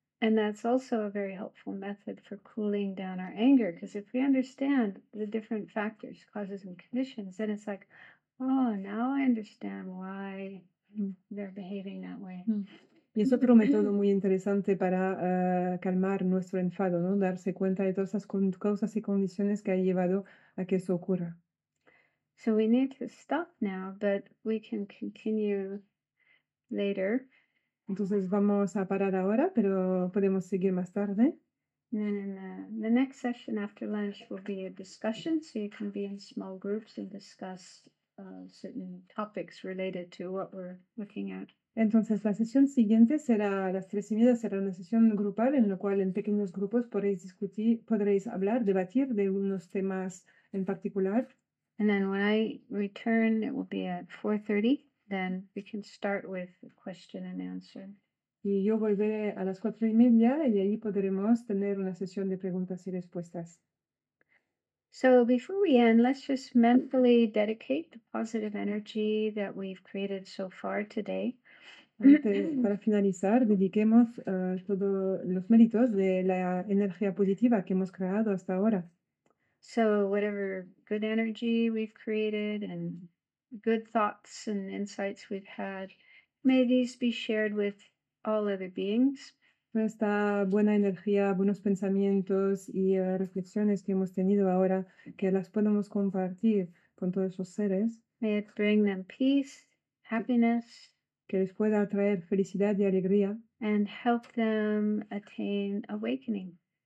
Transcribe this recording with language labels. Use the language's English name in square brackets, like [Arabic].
[English] And that's also a very helpful method for cooling down our anger, because if we understand the different factors, causes and conditions, then it's like, oh, now I understand why they're behaving that way. [Spanish] Y es otro método muy interesante para calmar nuestro enfado, ¿no? Darse cuenta de todas esas causas y condiciones que ha llevado a que eso ocurra. [English] So we need to stop now, but we can continue later. [Spanish] Entonces vamos a parar ahora, pero podemos seguir más tarde. [English] And then in the next session after lunch will be a discussion, so you can be in small groups and discuss certain topics related to what we're looking at. [Spanish] Entonces la sesión siguiente será a las 3:30, será una sesión grupal en la cual en pequeños grupos podréis discutir, podréis hablar, debatir de unos temas en particular. [English] And then when I return, it will be at 4:30, then we can start with question and answer. [Spanish] Y yo volveré a las 4:30 y ahí podremos tener una sesión de preguntas y respuestas. [English] So before we end, let's just mentally dedicate the positive energy that we've created so far today. [Spanish] Para finalizar, dediquemos todos los méritos de la energía positiva que hemos creado hasta ahora. [English] So whatever good energy we've created and good thoughts and insights we've had, may these be shared with all other beings. [Spanish] Esta buena energía, buenos pensamientos y reflexiones que hemos tenido ahora, que las podemos compartir con todos esos seres. [English] May it bring them peace, happiness, [Spanish] que les pueda traer felicidad y alegría, [English] and help them attain awakening,